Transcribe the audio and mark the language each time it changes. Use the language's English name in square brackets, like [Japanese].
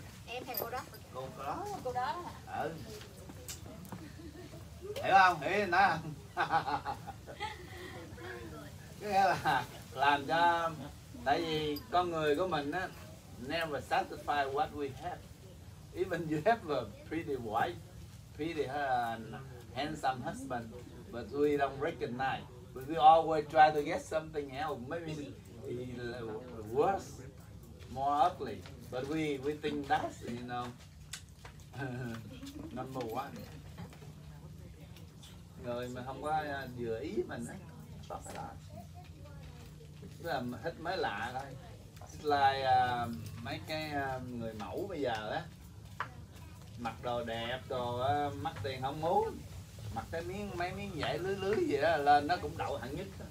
[Vietnamese] Em thấy cô đó. Cô đó. Ừ. Hiểu không? Hiểu nó. Cái nghĩa là làm cho, tại vì con người của mình á, [English] never satisfy what we have. Even you have a pretty wife, pretty handsome husband, but we don't recognize. But we always try to get something else, maybe worse, more ugly. But we think that's, you know, number one. [Vietnamese] Người mà không có vừa ý mình ấy, tóc lạ. Tức là thích mới lạ thôi. Thích like mấy cái người mẫu bây giờ á. Mặc đồ đẹp, đồ mắc tiền không muốn. Mặc cái miếng mấy miếng vải lưới lưới gì đó lên nó cũng đậu hẳn nhất.